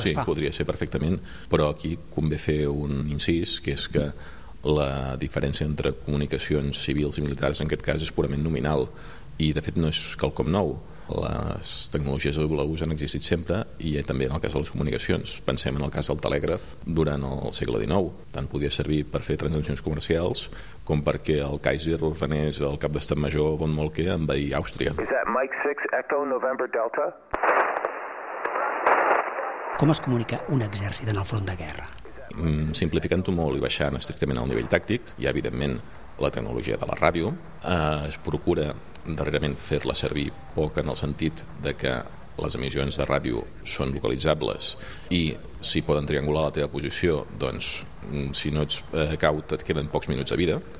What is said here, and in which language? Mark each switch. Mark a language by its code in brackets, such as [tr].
[ca] Sí, podria ser perfectament, però aquí convé fer un incís, que és que la diferència entre comunicacions civils i militars en aquest cas és purament nominal i de fet no és quelcom nou. Les tecnologies de doble ús han existit sempre i també en el cas de les comunicacions. Pensem en el cas del telègraf durant el segle XIX. Tant podia servir per fer transaccions comercials com perquè el Kaiser ordenés el cap d'estat major von Moltke envair Àustria. [en] Is that Mike 6 Echo November Delta? [ca] Com es comunica un exèrcit en el front de guerra? Simplificant-ho molt i baixant estrictament al nivell tàctic, hi ha evidentment la tecnologia de la ràdio. Es procura darrerament fer-la servir poc en el sentit de que les emissions de ràdio són localitzables i si poden triangular la teva posició, doncs si no ets caut et queden pocs minuts de vida.